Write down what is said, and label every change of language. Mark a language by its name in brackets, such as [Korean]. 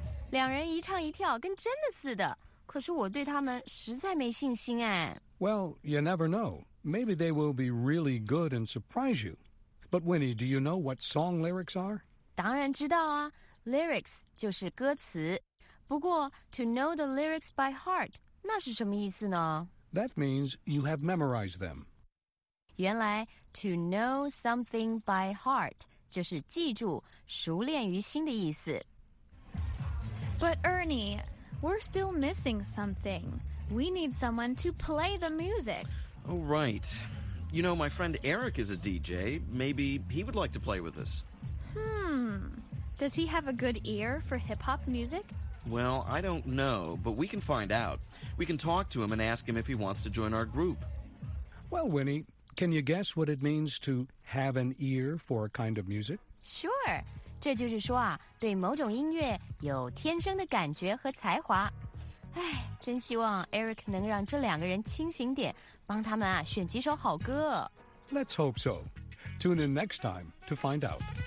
[Chinese] 两人一唱一跳跟真的似的。可是我对他们实在没信心哎。 [English] Well, you never know. Maybe they will be really good and surprise you. But Winnie, do you know what song lyrics are? [Chinese] 当然知道啊。Lyrics 就是歌词。不过 [English] to know the lyrics by heart, [Chinese] 那是什么意思呢? [English] That means you have memorized them. [Chinese] 原来 [English] to know something by heart [Chinese] 就是记住熟练于心的意思。 [English] But Ernie, we're still missing something. We need someone to play the music. Oh, right. You know, my friend Eric is a DJ. Maybe he would like to play with us. Does he have a good ear for hip-hop music? Well, I don't know, but we can find out. We can talk to him and ask him if he wants to join our group. Well, Winnie, can you guess what it means to have an ear for a kind of music? Sure. [Chinese] 这就是说啊，对某种音乐有天生的感觉和才华。哎，真希望 Eric 能让这两个人清醒点，帮他们啊选几首好歌。 [English] Let's hope so. Tune in next time to find out.